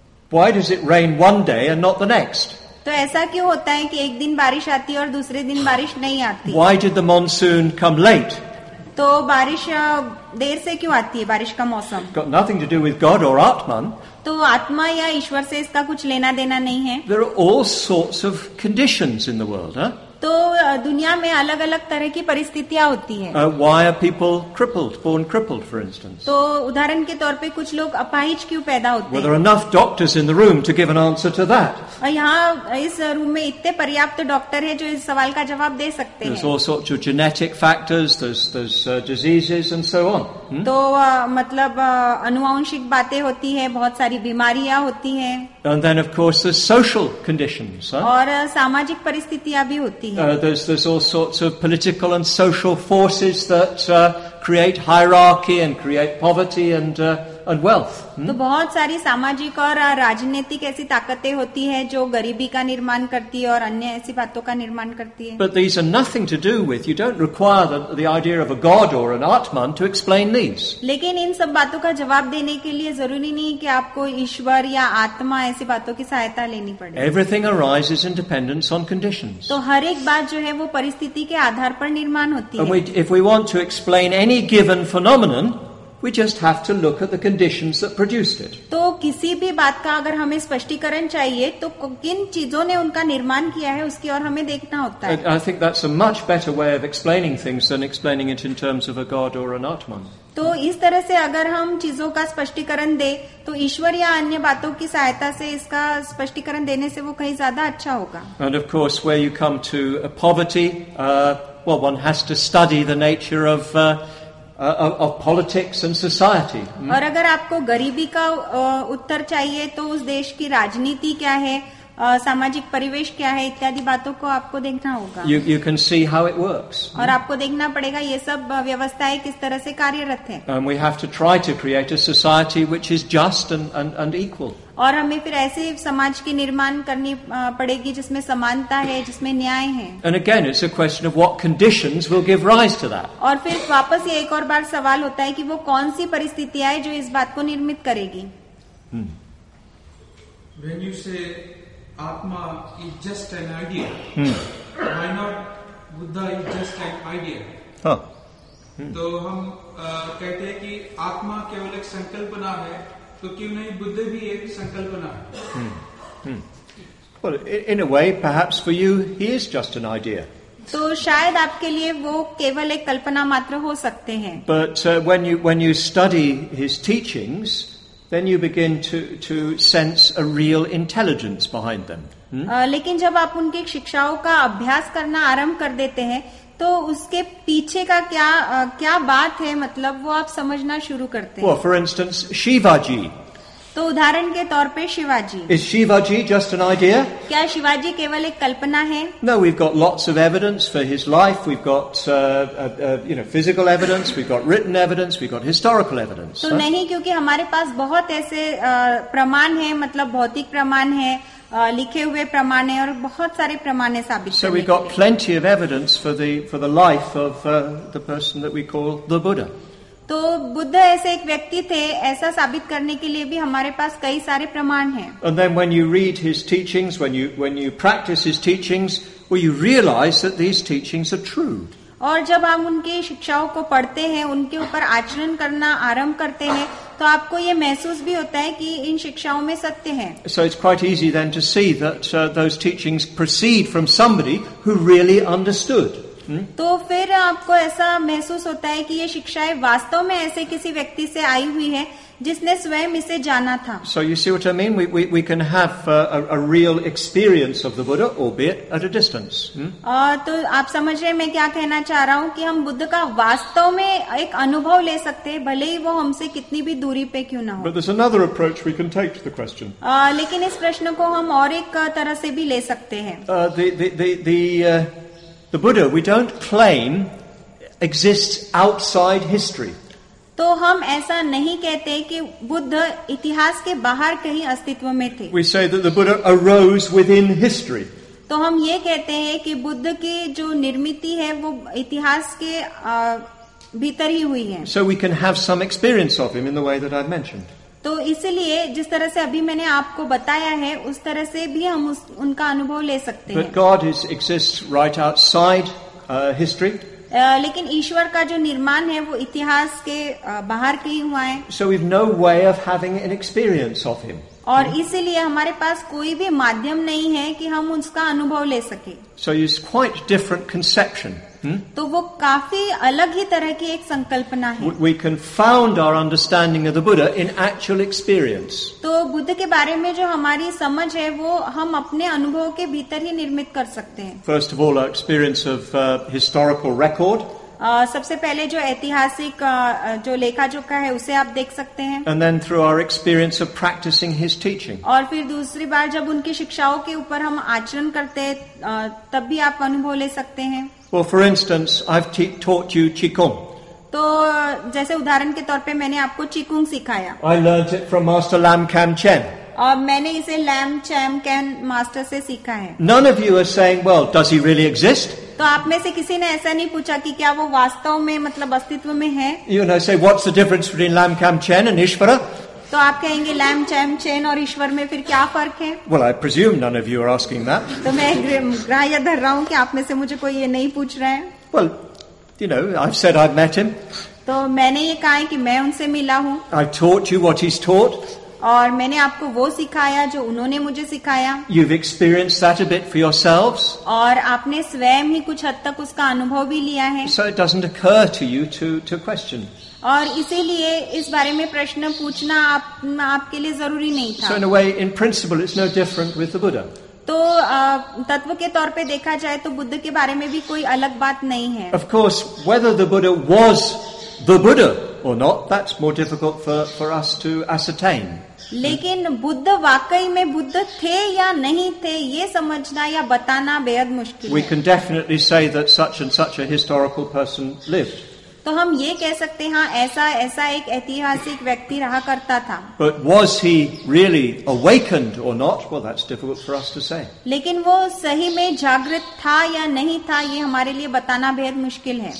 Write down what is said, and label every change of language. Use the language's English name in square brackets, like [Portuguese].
[English] Why does it rain one day and not the next? [Hindi] तो ऐसा क्यों होता है कि एक दिन बारिश आती है और दूसरे दिन बारिश नहीं आती? [English] Why did the monsoon come late? [Hindi] तो बारिश देर से क्यों आती है बारिश का मौसम? [English] Got nothing to do with God or Atman. [Hindi] तो आत्मा या ईश्वर से इसका कुछ लेना देना नहीं है. [English] There are all sorts of conditions in the world, huh? [Hindi] तो दुनिया में अलग अलग तरह की परिस्थितियाँ होती हैं. [English] Why are people crippled, born crippled, for instance? [Hindi] तो उदाहरण के तौर पे कुछ लोग अपाहिज क्यों पैदा होते हैं? [English] Well, there are enough doctors in the room to give an answer to that. [Hindi] यहाँ इस रूम में इतने पर्याप्त डॉक्टर हैं जो इस सवाल का जवाब दे सकते हैं. [English] There's all sorts of genetic factors, there's diseases and so on. [Hindi] तो मतलब अनुवांशिक बातें होती हैं, बहुत सारी बीमारियाँ होती हैं. [English] And then, of course, there's social conditions. [Hindi] और सामाजिक परिस्थितियाँ भी होती. [English] There's all sorts of political and social forces that create hierarchy and create poverty and wealth. [Hindi] तो बहुत सारी सामाजिक और राजनीतिक ऐसी ताकतें होती हैं जो गरीबी का निर्माण करती है और अन्य ऐसी बातों का निर्माण करती है. [English] But these are nothing to do with. You don't require the idea of a god or an atman to explain these. [Hindi] लेकिन इन सब बातों का जवाब देने के लिए जरूरी नहीं कि आपको ईश्वर या आत्मा ऐसी बातों की सहायता लेनी पड़े. [English] Everything arises in dependence on conditions. [Hindi] तो हर एक बात जो है वो परिस्थिति के आधार पर निर्माण होती है. [English] If we want to explain any given phenomenon. We just have to look at the conditions that produced it. [Hindi] तो किसी भी बात का अगर हमें स्पष्टीकरण चाहिए तो किन चीजों ने उनका निर्माण किया है उसकी ओर हमें देखना होता है. [English] I think that's a much better way of explaining things than explaining it in terms of a god or an atman. [Hindi] तो इस तरह से अगर हम चीजों का स्पष्टीकरण दे तो ईश्वर या अन्य बातों की सहायता से इसका स्पष्टीकरण देने से वो कहीं ज्यादा अच्छा होगा. [English] And of course, where you come to poverty, well, one has to study the nature of. Of politics and society. [Hindi] और अगर आपको गरीबी का उत्तर चाहिए तो उस देश की राजनीति क्या है सामाजिक परिवेश क्या है इत्यादि बातों को आपको देखना होगा. [English] You can see how it works. [Hindi] और आपको देखना पड़ेगा ये सब व्यवस्थाएं किस तरह से कार्यरत हैं. [English] And we have to try to create a society which is just and equal. [Hindi] और हमें फिर ऐसे समाज की निर्माण करनी पड़ेगी जिसमें समानता है जिसमें न्याय है. [English] And again, it's a question of what conditions will give rise to that. [Hindi] और फिर वापस ये एक और बार सवाल होता है कि वो कौन सी परिस्थितियां है जो इस बात को निर्मित करेगी. [English] When you say Atma is just an idea, why not Buddha is just an idea? [Hindi] तो हम कहते हैं कि आत्मा केवल एक संकल्पना है तो क्यों नहीं बुद्ध भी एक संकल्पना है? [English] Well, in a way, perhaps for you, he is just an idea. [Hindi] तो शायद आपके लिए वो केवल एक कल्पना मात्र हो सकते हैं. [English] But when you study his teachings, then you begin to sense a real intelligence behind them. [Hindi] लेकिन जब आप उनकी शिक्षाओं का अभ्यास करना आरंभ कर देते हैं तो उसके पीछे का क्या क्या बात है मतलब वो आप समझना शुरू करते हैं. [English] Well, for instance, Shivaji. [Hindi] तो उदाहरण के तौर पे Shivaji. [English] Is Shivaji just an idea? [Hindi] क्या शिवाजी केवल एक कल्पना है? [English] No, we've got lots of evidence for his life. We've got physical evidence. We've got written evidence. We've got historical evidence. [Hindi] तो नहीं, क्योंकि हमारे पास बहुत ऐसे प्रमाण हैं, मतलब भौतिक प्रमाण हैं, लिखे हुए प्रमाण हैं, और बहुत सारे प्रमाण हैं साबित करने के लिए. [English] So we've got plenty of evidence for the life of the person that we call the Buddha. [Hindi] तो बुद्ध ऐसे एक व्यक्ति थे, ऐसा साबित करने के लिए भी हमारे पास कई सारे प्रमाण हैं. [English] And then when you read his teachings, when you practice his teachings, well, you realize that these teachings are true. [Hindi] और जब आप उनकी शिक्षाओं को पढ़ते हैं, उनके ऊपर आचरण करना आरंभ करते हैं, तो आपको ये महसूस भी होता है कि इन शिक्षाओं में सत्य है. [English] So it's quite easy then to see that those teachings proceed from somebody who really understood. [Hindi] तो फिर आपको ऐसा महसूस होता है कि ये शिक्षाएं वास्तव में ऐसे किसी व्यक्ति से आई हुई है जिसने स्वयं इसे जाना था. [English] So you see what I mean? We can have a real experience of the Buddha, albeit at a distance. [Hindi] तो आप समझ रहे हैं मैं क्या कहना चाह रहा हूँ, कि हम बुद्ध का वास्तव में एक अनुभव ले सकते हैं, भले ही वो हमसे कितनी भी दूरी पे क्यों ना हो. [English] But there's another approach we can take to the question. [Hindi] लेकिन इस प्रश्न को हम और एक तरह से भी ले सकते हैं. [English] The Buddha, we don't claim, exists outside history. [Hindi] तो हम ऐसा नहीं कहते कि बुद्ध इतिहास के बाहर कहीं अस्तित्व में थे. [English] We say that the Buddha arose within history. [Hindi] तो हम ये कहते हैं कि बुद्ध की जो निर्मिति है वो इतिहास के भीतर ही हुई है. [English] So we can have some experience of him in the way that I've mentioned. [Hindi] तो इसलिए जिस तरह से अभी मैंने आपको बताया है उस तरह से भी हम उनका अनुभव ले सकते हैं. [English] God exists right outside history. [Hindi] लेकिन ईश्वर का जो निर्माण है वो इतिहास के बाहर कहीं हुआ है. [English] So we've no way of having an experience of him. [Hindi] और इसलिए हमारे पास कोई भी माध्यम नहीं है कि हम उसका अनुभव ले सके. [English] So it's quite different conception. [Hindi] तो वो काफी अलग ही तरह की एक संकल्पना है. [English] We confound our understanding of the Buddha in actual experience. [Hindi] तो बुद्ध के बारे में जो हमारी समझ है वो हम अपने अनुभव के भीतर ही निर्मित कर सकते हैं. [English] First of all, our experience of historical record. [Hindi] सबसे पहले जो ऐतिहासिक जो लेखा जोखा है उसे आप देख सकते हैं. [English] And then through our experience of practicing his teaching. [Hindi] और फिर दूसरी बार जब उनकी शिक्षाओं के ऊपर हम आचरण करते हैं तब भी आप अनुभव ले सकते हैं. [English] Well, for instance, I've taught you Qigong. [Hindi] तो जैसे उदाहरण के तौर पे मैंने आपको चिकुंग सिखाया. [English] I learned it from Master Lam Kam Chen. [Hindi] और मैंने इसे लैम चैम कैन मास्टर से सीखा है. [English] None of you are saying, well, does he really exist? [Hindi] तो आप में से किसी ने ऐसा नहीं पूछा कि क्या वो वास्तव में मतलब अस्तित्व में है. [English] You know, say, what's the difference between Lam Kam Chen and Ishvara? [Hindi] तो आप कहेंगे लैम चैम चैन और ईश्वर में फिर क्या फर्क है. [English] Well, I presume none of you are asking that. [Hindi] तो मैं ग्राह्य धर रहा हूँ कि आप में से मुझे कोई ये नहीं पूछ रहे हैं. [English] Well, you know, I've said I've met him. [Hindi] तो मैंने ये कहा है कि मैं उनसे मिला हूँ. [English] I've taught you what he's taught. [Hindi] और मैंने आपको वो सिखाया जो उन्होंने मुझे सिखाया. [English] You've experienced that a bit for yourselves. [Hindi] और आपने स्वयं ही कुछ हद तक उसका अनुभव भी लिया है. [English] So it doesn't occur to you to question. [Hindi] और इसीलिए इस बारे में प्रश्न पूछना आपके लिए जरूरी नहीं था. [English] So in a way, in principle, it's no different with the Buddha. [Hindi] तो तत्व के तौर पे देखा जाए तो बुद्ध के बारे में भी कोई अलग बात नहीं है. [English] Of course, whether the Buddha was the Buddha or not, that's more difficult for us to ascertain. [Hindi] लेकिन बुद्ध वाकई में बुद्ध थे या नहीं थे ये समझना या बताना बेहद मुश्किल है. [English] We can definitely say that such and such a historical person lived. [Hindi] तो हम ये कह सकते हैं, हाँ, ऐसा ऐसा एक ऐतिहासिक व्यक्ति रहा करता था. [English] But was he really awakened or not? Well, that's difficult for us to say. [Hindi] लेकिन वो सही में जागृत था या नहीं था ये हमारे लिए बताना बेहद मुश्किल है.